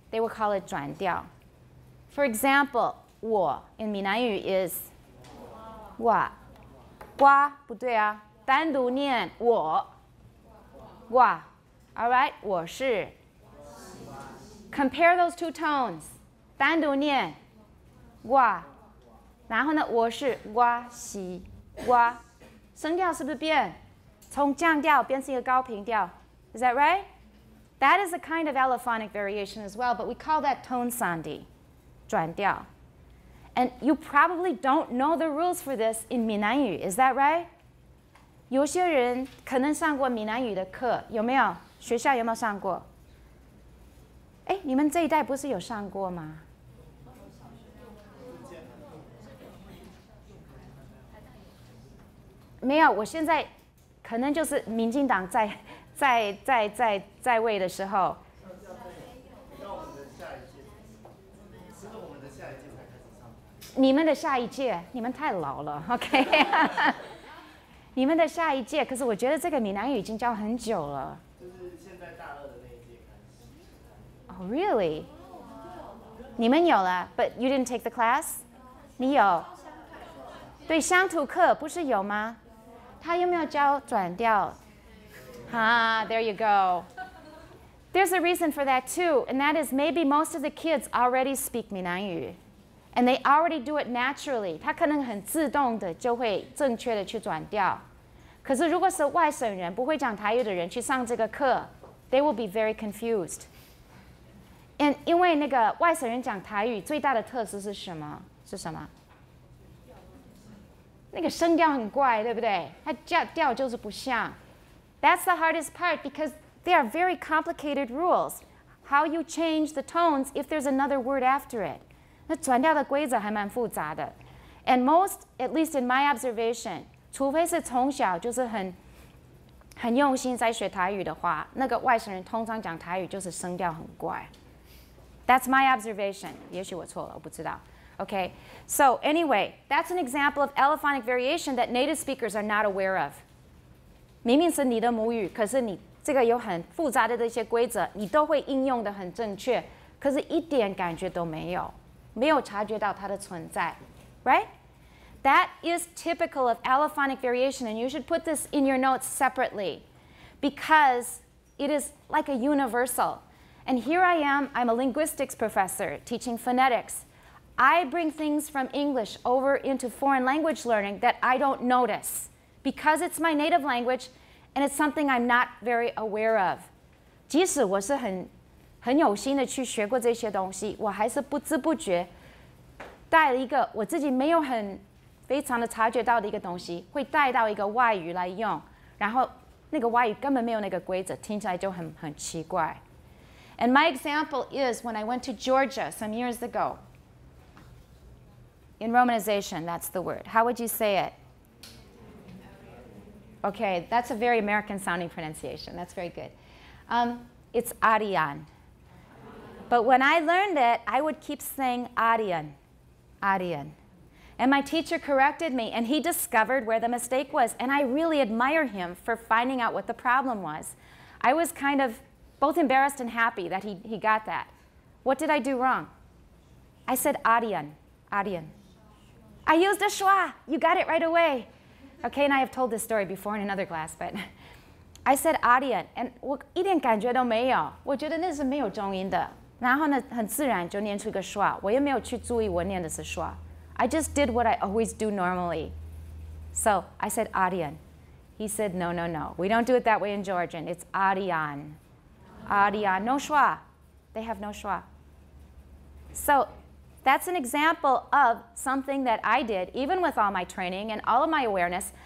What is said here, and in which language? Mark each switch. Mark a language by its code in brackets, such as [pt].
[en] they will call it 转调.For example, 我 in 闽南语 is [zh] 我瓜不对啊，单独念我瓜 [en] All right, [zh] 我是 [en] Compare those two tones. [zh] 单独念瓜，然后呢，我是瓜西瓜，声调是不是变？从降调变成一个高频调 ， [en] Is that right? That is a kind of allophonic variation as well, but we call that tone sandi, 转调。 And you probably don't know the rules for this in 闽南语 is that right? [zh] 有些人可能上过闽南语的课，有没有？学校有没有上过？哎，你们这一代不是有上过吗？没有，我现在可能就是民进党在位的时候。你们的下一届，你们太老了 ，OK 你们的下一届，可是我觉得这个闽南语已经教很久了。就是现在大二的那一届开始。 [en] Oh, really? Oh, wow. [zh] 你们有了 [en] ，but you didn't take the class？ [zh] 你有？对，乡土课不是有吗？他有没有教转调？ [en] 哈、ah, ，there you go. There's a reason for that too, and that is maybe most of the kids already speak 闽南语。 And they already do it naturally. [zh] 他可能很自动的就会正确的去转调。可是如果是外省人不会讲台语的人去上这个课 ， [en] they will be very confused. [zh] And 因为那个外省人讲台语最大的特色是什么？是什么？那个声调很怪，对不对？它调就是不像。 [en] That's the hardest part because they are very complicated rules. How you change the tones if there's another word after it. [zh] 那转调的规则还蛮复杂的 ， [en] and most, at least in my observation, [zh] 除非是从小就是很用心在学台语的话，那个外省人通常讲台语就是声调很怪。 [en] That's my observation. [zh] 也许我错了，我不知道。 [en] Okay, so anyway, that's an example of allophonic variation that native speakers are not aware of. [zh] 明明是你的母语，可是你这个有很复杂的这些规则，你都会应用的很正确，可是一点感觉都没有。没有察觉到它的存在 ，right? [en] That is typical of allophonic variation, and you should put this in your notes separately, because it is like a universal. And here I am, I'm a linguistics professor teaching phonetics. I bring things from English over into foreign language learning that I don't notice, because it's my native language, and it's something I'm not very aware of. 即使我是很有心的去学过这些东西，我还是不知不觉带了一个我自己没有很非常的察觉到的一个东西，会带到一个外语来用，然后那个外语根本没有那个规则，听起来就很奇怪。 And my example is when I went to Georgia some years ago. In romanization, that's the word. How would you say it? Okay, that's a very American sounding pronunciation. That's very good. It's Arian. But when I learned it, I would keep saying Arian, Arian. And my teacher corrected me, and he discovered where the mistake was. And I really admire him for finding out what the problem was. I was kind of both embarrassed and happy that he got that. What did I do wrong? I said Arian, Arian. I used a schwa. You got it right away. Okay, and I have told this story before in another class, but I said Arian. [zh] And 我一点感觉都没有，我觉得那是没有重音的。然后呢，很自然就念出一个 schwa， 我也没有去注意我念的是 schwa。 [en] I just did what I always do normally. So I said Arian. He said, no, no, no. We don't do it that way in Georgian. It's Arian. Arian. No schwa. They have no schwa. So that's an example of something that I did, even with all my training and all of my awareness.